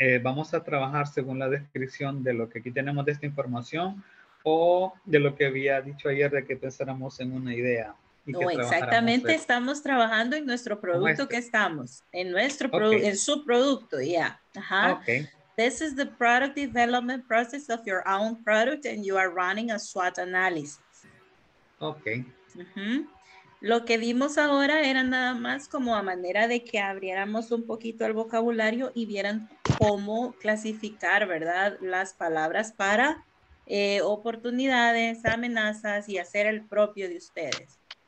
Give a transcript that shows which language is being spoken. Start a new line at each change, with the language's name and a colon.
Spanish: ¿Vamos a trabajar según la descripción de lo que aquí tenemos de esta información o de lo que había dicho ayer de que pensáramos en una idea? No, exactamente, estamos trabajando en nuestro producto que estamos, en nuestro producto, en su producto, yeah. Uh-huh. Okay.
English: This is the product development process of your own product and you are running a SWOT analysis. Okay. Uh-huh.
Spanish: Lo que vimos ahora era nada más como a manera de que abriéramos un poquito el vocabulario y vieran cómo clasificar, ¿verdad?, las palabras para oportunidades, amenazas y hacer el propio de ustedes.